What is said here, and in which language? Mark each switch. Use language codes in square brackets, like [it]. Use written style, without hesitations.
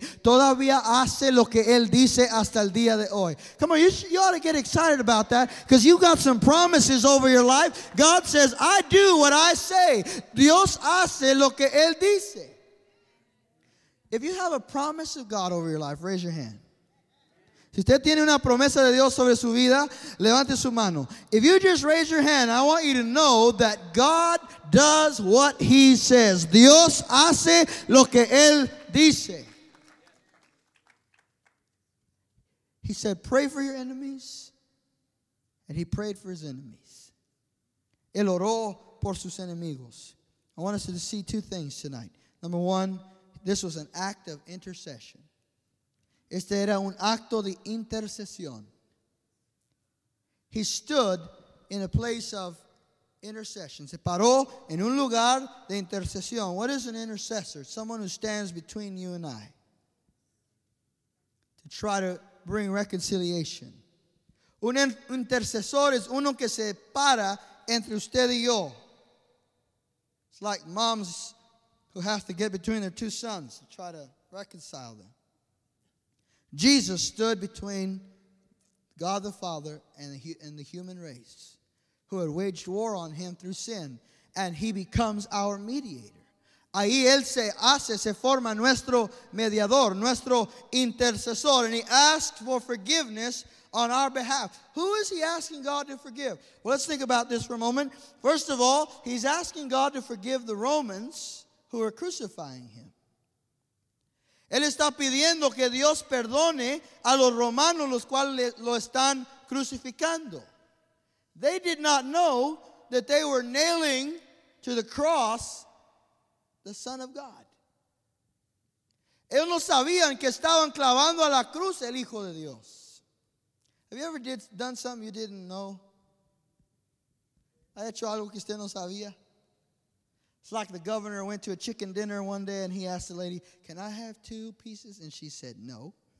[es] Todavía hace lo que él dice hasta el día de hoy. [en] Come on, you ought to get excited about that, because you've got some promises over your life. God says, I do what I say. [es] Dios hace lo que él dice. [en] If you have a promise of God over your life, raise your hand. [es] Si usted tiene una promesa de Dios sobre su vida, levante su mano. [en] If you just raise your hand, I want you to know that God does what he says. [es] Dios hace lo que él dice. [en] He said, pray for your enemies. And he prayed for his enemies. [es] Él oró por sus enemigos. [en] I want us to see two things tonight. Number one, this was an act of intercession. [es] Este era un acto de intercesión. [en] He stood in a place of intercession. [es] Se paró en un lugar de intercesión. [en] What is an intercessor? Someone who stands between you and I to try to bring reconciliation. [es] Un intercesor es uno que se para entre usted y yo. [en] It's like moms who have to get between their two sons to try to reconcile them. Jesus stood between God the Father and the human race who had waged war on him through sin, and he becomes our mediator. [es] Ahí él se hace, se forma nuestro mediador, nuestro intercesor, [en] and he asked for forgiveness on our behalf. Who is he asking God to forgive? Well, let's think about this for a moment. First of all, he's asking God to forgive the Romans who are crucifying him. [es] Él está pidiendo que Dios perdone a los romanos los cuales lo están crucificando. [en] They did not know that they were nailing to the cross the Son of God. [es] Ellos no sabían que estaban clavando a la cruz el Hijo de Dios. [en] Have you ever done something you didn't know? [es] ¿Ha hecho algo que usted no sabía? [en] It's like the governor went to a chicken dinner one day and he asked the lady, can I have two pieces? And she said, no.